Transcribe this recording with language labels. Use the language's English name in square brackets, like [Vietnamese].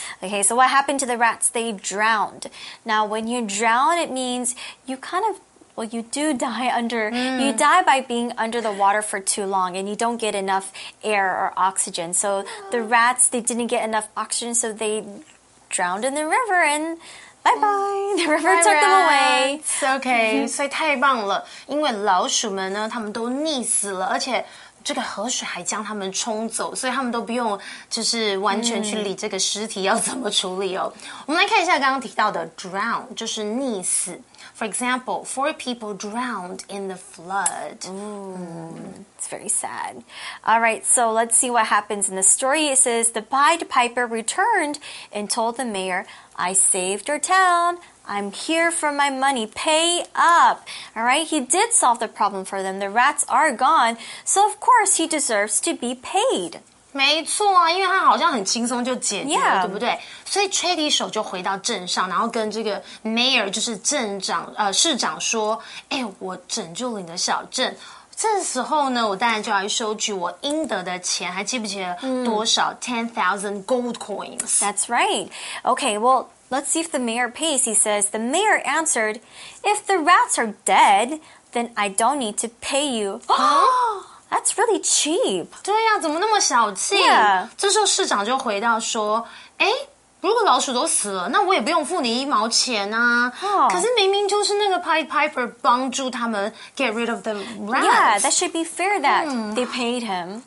[English] Okay, so what happened to the rats? They drowned. Now, when you drown, it means you kind of, well, you do die under, you die by being under the water for too long and you don't get enough air or oxygen. So the rats, they didn't get enough oxygen, so they drowned in the river and... Bye-bye, the river took them away. [Chinese] Okay, 所以太棒了。因为老鼠们呢他们都溺死了而且这个河水还将他们冲走所以他们都不用就是完全去理这个尸体要怎么处理哦。我们来看一下刚刚提到的 drown, 就是溺死。 [English] For example, 4 people drowned in the flood. It's very sad. All right, so let's see what happens in the story. It says, the Pied Piper returned and told the mayor, I saved your town. I'm here for my money. Pay up. All right, he did solve the problem for them. The rats are gone. So, of course, he deserves to be paid. [Chinese] 没错啊，因为他好像很轻松就解决了、对不对？所以 Trudy 手就回到镇上，然后跟这个 Mayor 就是镇长市长说：“哎，我拯救了你的小镇。” 这时候呢，我当然就要收取我应得的钱，还记不记得多少 10,000 gold coins? [English] That's right. Okay, well, let's see if the mayor pays. He says the mayor answered, "If the rats are dead, then I don't need to pay you." That's really cheap. [Chinese] 对呀、啊，怎么那么小气？ [English] Yeah. [Chinese] 这时候市长就回到说：“哎，如果老鼠都死了，那我也不用付你一毛钱啊。 Oh. 可是明明就是那个 Pied Piper 帮助他们 get rid of the rats. [English] Yeah, that should be fair that they paid him.